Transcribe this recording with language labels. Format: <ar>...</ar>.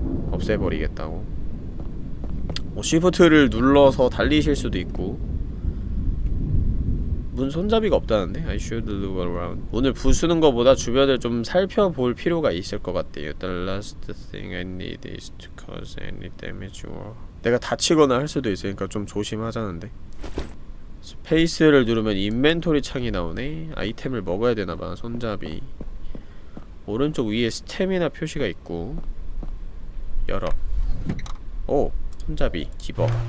<ko>없애버리겠다고. 뭐 쉬프트를 눌러서 달리실 수도 있고. 문 손잡이가 없다는데?</ko> <en>I should look around.</en> <ko>문을 부수는 것보다 주변을 좀 살펴볼 필요가 있을 것 같아요.</ko> <en>The last thing I need is to cause any damage.</en> <ko>내가 다치거나 할 수도 있으니까 좀 조심하자는데. 스페이스를 누르면 인벤토리 창이 나오네. 아이템을 먹어야 되나봐. 손잡이 오른쪽 위에 스태미나 표시가 있고. 열어. 오! 손잡이 집어.</ko>